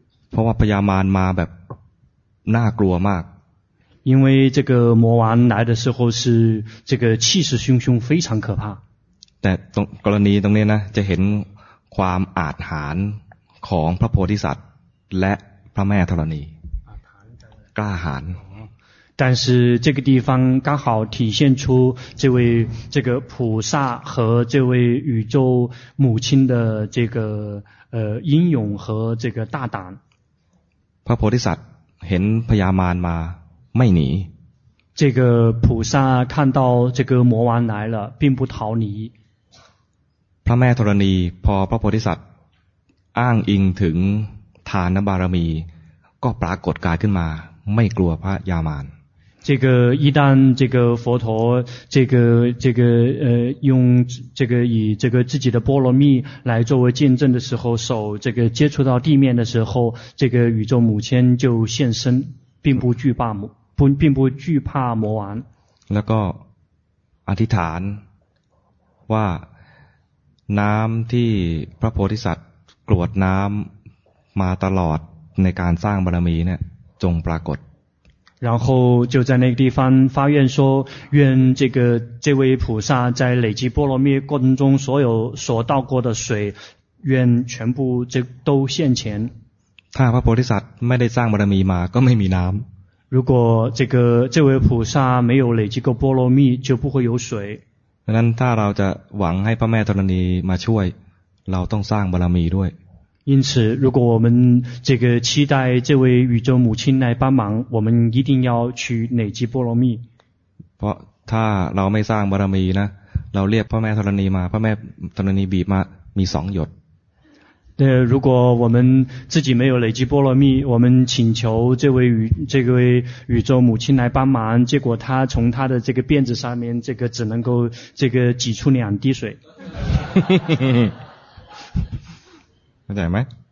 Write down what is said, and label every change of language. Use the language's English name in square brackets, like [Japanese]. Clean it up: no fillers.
[Thai] เพราะว่าพญามารมาแบบน่ากลัวมาก。 [Chinese] 因为这个魔王来的时候是这个气势汹汹非常可怕。 [Thai] แต่ตรงกรณีตรงนี้นะจะเห็นความอาถรรพ์ของพระโพธิสัตว์และพระแม่ธรณีกล้าหาญ [Chinese] 但是这个地方刚好体现出这位这个菩萨和这位宇宙母亲的这个英勇和这个大胆 [Thai] พระโพธิสัตว์เห็นพญามารมาไม่หนี [Chinese] 这个菩萨看到这个魔王来了并不逃离 [Thai] พระแม่ธรณีพอพระโพธิสัตว์อ้างอิงถึงทานบารมีก็ปรากฏกายขึ้นมาไม่กลัวพระยามาร [Chinese] 这个一旦这个佛陀这个用这个以这个自己的波罗蜜来作为见证的时候手这个接触到地面的时候这个宇宙母亲就现身并不惧怕魔王 [Thai] แล้วก็อธิษฐานว่าน้ำที่พระโพธิสัตว์กรวดน้ำมาตลอดในการสร้างบารมีเนี่ยจงปรากฏ [Chinese] 然后就在那个地方发愿说愿这个这位菩萨在累积波罗蜜过程中所有所倒过的水愿全部这都现前 [Thai] ถ้าพระโพธิสัตว์ไม่ได้สร้างบารมีมาก็ไม่มีน้ำ [Chinese] 如果这个这位菩萨没有累积过波罗蜜就不会有水 [Thai] ดังนั้นถ้าเราจะหวังให้พระแม่ธรณีมาช่วยเราต้องสร้างบารมีด้วย [Chinese] 因此如果我们这个期待这位宇宙母亲来帮忙我们一定要去累积波罗蜜 [Thai] เพราะถ้าเราไม่สร้างบารมีนะเราเรียกพระแม่ธรณีมาพระแม่ธรณีบีบมามีสองหยด [Chinese] 如果我们自己没有累积波罗蜜我们请求这位宇宙母亲来帮忙结果她从她的这个辫子上面这个只能够这个挤出两滴水能解吗？